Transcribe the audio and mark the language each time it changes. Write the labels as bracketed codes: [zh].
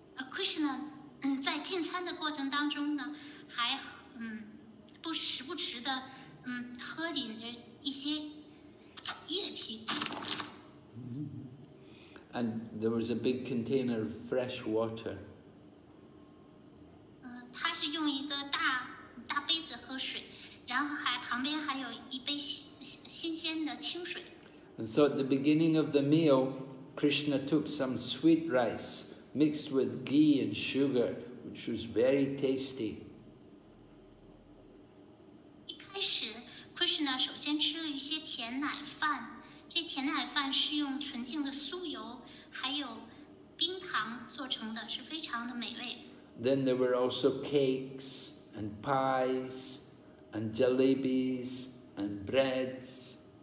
[zh] Krishna, 在进餐的过程当中呢，还不时不时的喝饮着一些液体。 [en] And there was a big container of fresh water. [zh] 他是用一个大杯子喝水，然后还旁边还有一杯新鲜的清水。 [en] And so at the beginning of the meal, Krishna took some sweet rice mixed with ghee and sugar, which was very tasty. [zh] 一开始 ，Krishna 首先吃了一些甜奶饭。这甜奶饭是用纯净的酥油还有冰糖做成的，是非常的美味。 [en] Then there were also cakes and pies and jalebis and breads.